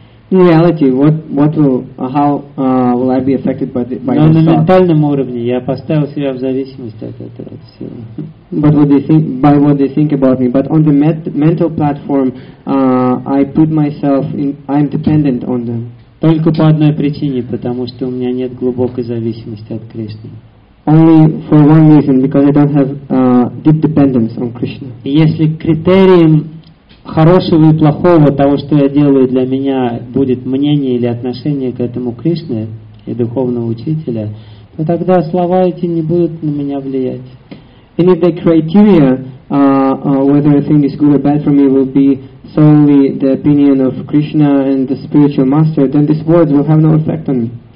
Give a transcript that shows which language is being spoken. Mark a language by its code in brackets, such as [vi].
[en] In reality, how will I be affected by the by [ru] На ментальном уровне я поставил себя в зависимость от этого всего. [en] But what they think by what they think about me. But on the mental platform, I put myself in. I'm dependent on them. [ru] Только по одной причине, потому что у меня нет глубокой зависимости от Кришны. [en] Only for one reason, because I don't have deep dependence on Krishna. [ru] Если критерием хорошего и плохого того, что я делаю для меня, будет мнение или отношение к этому Кришне и духовного учителя, то тогда слова эти не будут на меня влиять. [en] And if the criteria whether a thing is good or bad for me will be solely the opinion of Krishna and the spiritual master, then these words will have no effect on me.